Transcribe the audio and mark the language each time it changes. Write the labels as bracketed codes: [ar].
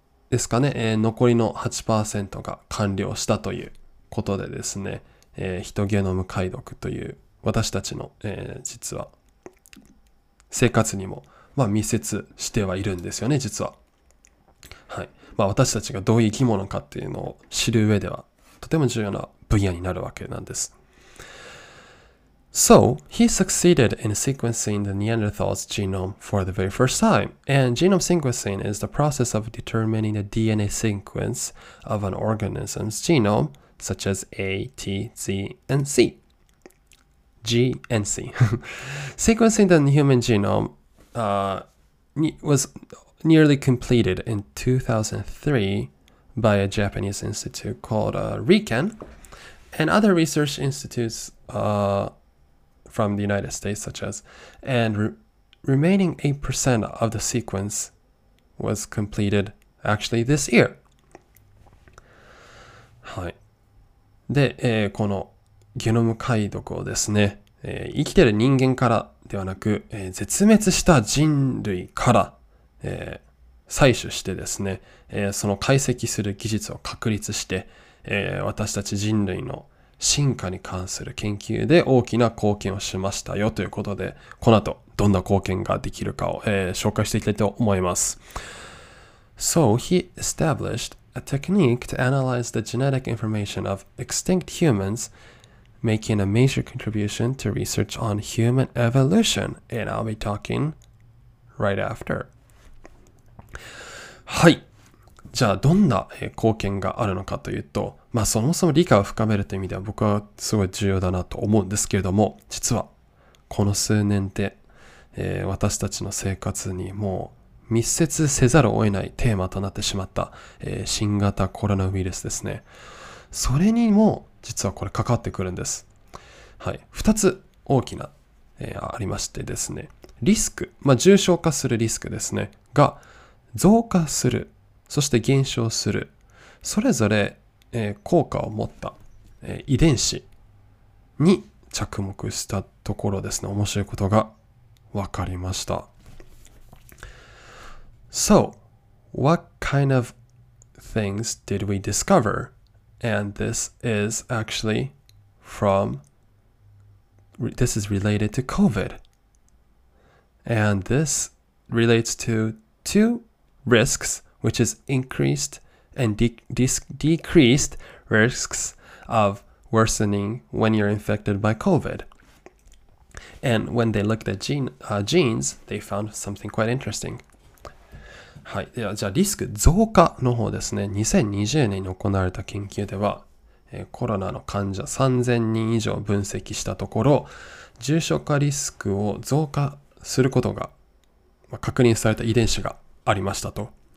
[ja] ですかね、残りの 8% が完了したということでですね、ヒトゲノム解読という私たちの、実は生活にも、まあ、密接してはいるんですよね、実は。はい。まあ私たちがどういう生き物かっていうのを知る上では、とても重要な分野になるわけなんです。 [en] So, he succeeded in sequencing the Neanderthals genome for the very first time. And genome sequencing is the process of determining the DNA sequence of an organism's genome, such as A, T, Z, and C. G, and C. Sequencing the human genome was nearly completed in 2003 by a Japanese institute called RIKEN. And other research institutes from the United States, such as, and remaining 8% of the sequence was completed actually this year. [ja] はい。で、このゲノム解読をですね、生きてる人間からではなく、絶滅した人類から、採取してですね、その解析する技術を確立して、私たち人類の進化に関する研究で大きな貢献をしましたよということで、この後どんな貢献ができるかを、紹介していきたいと思います。 [en] So he established a technique to analyze the genetic information of extinct humans, making a major contribution to research on human evolution. And I'll be talking right after. [ja] はい。じゃあどんな貢献があるのかというと、まあそもそも理解を深めるという意味では僕はすごい重要だなと思うんですけれども、実はこの数年で、私たちの生活にもう密接せざるを得ないテーマとなってしまった、新型コロナウイルスですね。それにも実はこれ関わってくるんです。はい。二つ大きな、ありましてですね、リスク、まあ重症化するリスクですねが増加する、そして減少する、それぞれ、効果を持った、遺伝子に着目したところですね、面白いことが分かりました。 [en] So, what kind of things did we discover? And this is actually from, this is related to COVID. And this relates to two risks, which is increased and decreased risks of worsening when you're infected by COVID. And when they looked at genes, they found something quite interesting. [ja] はい、ではじゃあリスク増加の方ですね。2020年に行われた研究では、コロナの患者3000人以上分析したところ、重症化リスクを増加することが、まあ、確認された遺伝子がありましたと。